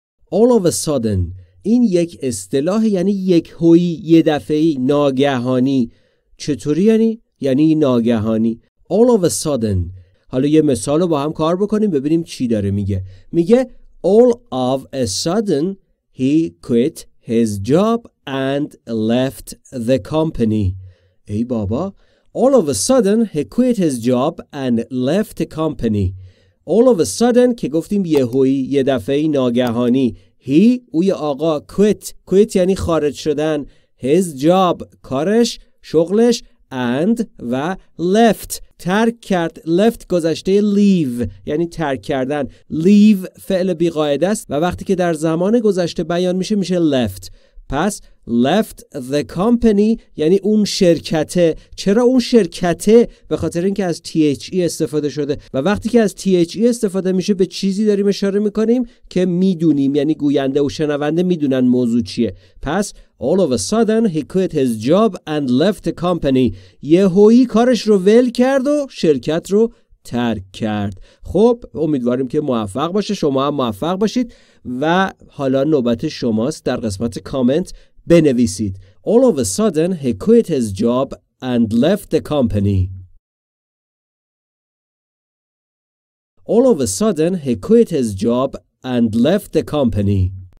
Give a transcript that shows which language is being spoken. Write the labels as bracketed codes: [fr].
[en] All of a sudden. [fa] این یک اصطلاح، یعنی یک هویی، یه دفعه‌ای، ناگهانی. چطوری یعنی؟ یعنی ناگهانی. [en] All of a sudden. [fa] حالا یه مثال رو با هم کار بکنیم ببینیم چی داره میگه. میگه [en] All of a sudden he quit his job and left the company. [fa] ای بابا. [en] All of a sudden he quit his job and left the company. All of a sudden [fa] که گفتیم یه هویی، یه دفعه‌ای، ناگهانی. هی اوی آقا quit یعنی خارج شدن، his job کارش، شغلش، and و left ترک کرد، left گذشته leave یعنی ترک کردن، leave فعل بیقاعده است و وقتی که در زمان گذشته بیان میشه میشه left. پس left the company یعنی اون شرکته. چرا اون شرکته؟ به خاطر اینکه از THE استفاده شده، و وقتی که از THE استفاده میشه به چیزی داریم اشاره میکنیم که میدونیم، یعنی گوینده و شنونده میدونن موضوع چیه. [en] پس all of a sudden he quit his job and left the company. [fa] یه هویی کارش رو ول کرد و شرکت رو ترک کرد. خب امیدواریم که موفق باشه، شما هم موفق باشید، و حالا نوبت شماست در قسمت کامنت بنویسید. [en] All of a sudden he quit his job and left the company. All of a sudden he quit his job and left the company.